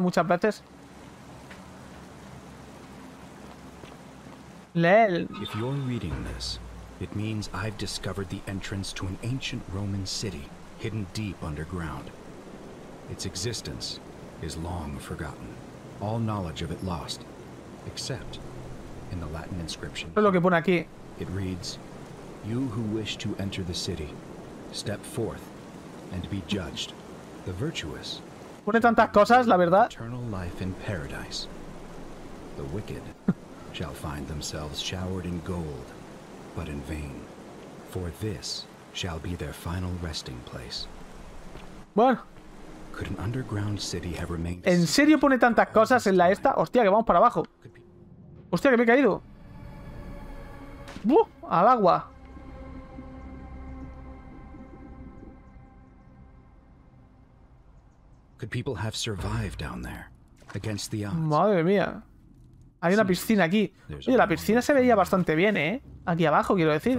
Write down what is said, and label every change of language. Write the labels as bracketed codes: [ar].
[es] Muchas veces. Leel. Si estás leyendo esto, significa que he descubierto la entrada a una ciudad romana [en] hidden deep underground. [es] Su existencia es [en] long forgotten. All knowledge of it lost, except in the Latin inscription. [es] Es lo que pone aquí. [en] It reads, "You who wish to enter the city, step forth and be judged. The virtuous." [es] Pone tantas cosas, la verdad. [en] Eternal life in paradise. The wicked shall find themselves showered in gold, but in vain. For this shall be their final resting place. [es] Bueno. [en] Could an underground city have remained? [es] ¿En serio pone tantas cosas en la esta? Hostia, que vamos para abajo. Hostia, que me he caído. ¡Buf! Al agua. [en] Could people have survived down there against the odds? [es] Madre mía. Hay una piscina aquí. Oye, la piscina se veía bastante bien, ¿eh? Aquí abajo, quiero decir.